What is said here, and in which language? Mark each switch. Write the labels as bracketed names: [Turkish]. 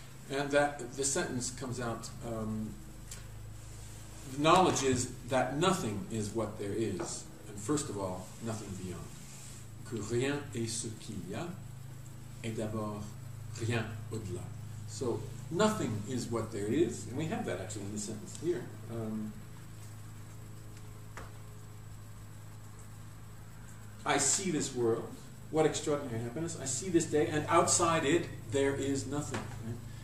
[English] And that the sentence comes out, the knowledge is that nothing is what there is, and first of all, nothing beyond. [French] Que rien est ce qu'il y a, et d'abord rien au-delà. [English] So nothing is what there is, and we have that actually in the sentence here. I see this world. What extraordinary happiness. I see this day, and outside it, there is nothing. Right?